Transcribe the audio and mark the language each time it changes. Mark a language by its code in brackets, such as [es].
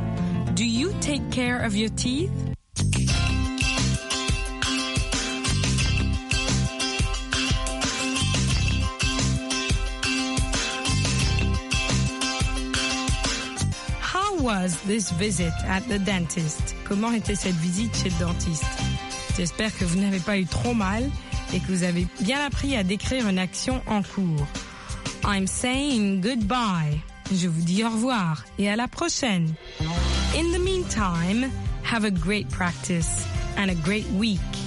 [en] « Do you take care of your teeth? » How was this visit at the dentist? [fr] Comment était cette visite chez le dentiste? J'espère que vous n'avez pas eu trop mal et que vous avez bien appris à décrire une action en cours. [en] I'm saying goodbye. [fr] Je vous dis au revoir et à la prochaine. [en] In the meantime, have a great practice and a great week.